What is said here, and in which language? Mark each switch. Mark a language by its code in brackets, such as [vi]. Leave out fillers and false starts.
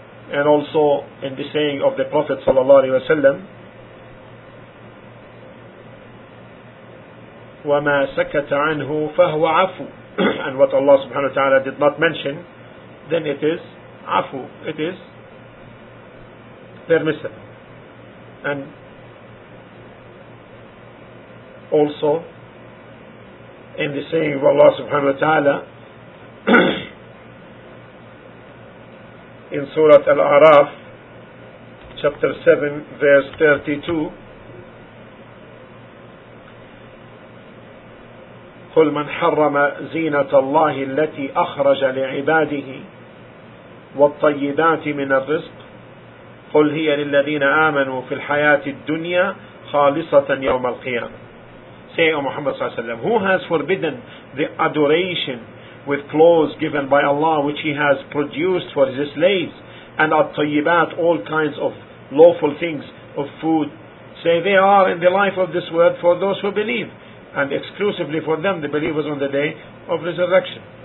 [en] And also in the saying of the Prophet sallallahu alaihi wasallam, [ar] وَمَا سَكَتَ عَنْهُ فَهُوَ عَفُو. [en] And what Allah subhanahu wa ta'ala did not mention, then it is عَفُو, it is permissible. And also in the saying of Allah subhanahu wa ta'ala in Surah Al-A'raf chapter 7 verse 32, [ar] قُلْ مَنْ حَرَّمَ زِينَةَ اللَّهِ الَّتِي أَخْرَجَ لِعِبَادِهِ وَالطَّيِّبَاتِ مِنَ الرِّزْقِ قُلْ هِيَ لِلَّذِينَ آمَنُوا فِي الْحَيَاةِ الدُّنْيَا خَالِصَةً يَوْمَ الْقِيَامَةِ. [en] Say, O Muhammad sallallahu alayhi wa sallam, who has forbidden the adoration with clothes given by Allah which He has produced for His slaves, and at-tayyibat, all kinds of lawful things of food? Say, they are in the life of this world for those who believe, and exclusively for them, the believers on the day of resurrection.